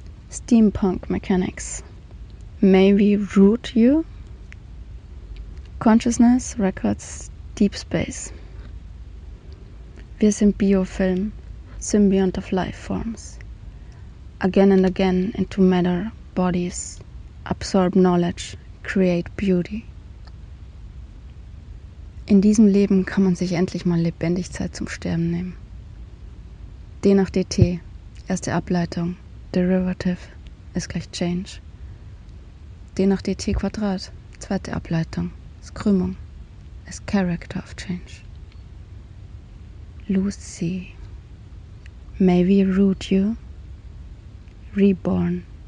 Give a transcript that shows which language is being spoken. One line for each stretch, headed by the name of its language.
English: Steampunk Mechanics. May we root you? Consciousness Records Deep Space.
German: Wir sind Biofilm,
English: Symbiont of Life Forms. Again and again into matter. Bodies, absorb knowledge, create beauty.
German: In diesem Leben kann man sich endlich mal lebendig Zeit zum Sterben nehmen. D nach DT, erste Ableitung, derivative ist gleich change. D nach DT Quadrat, zweite Ableitung, ist Krümmung, ist
English: character of change. Lucy, may we root you, reborn.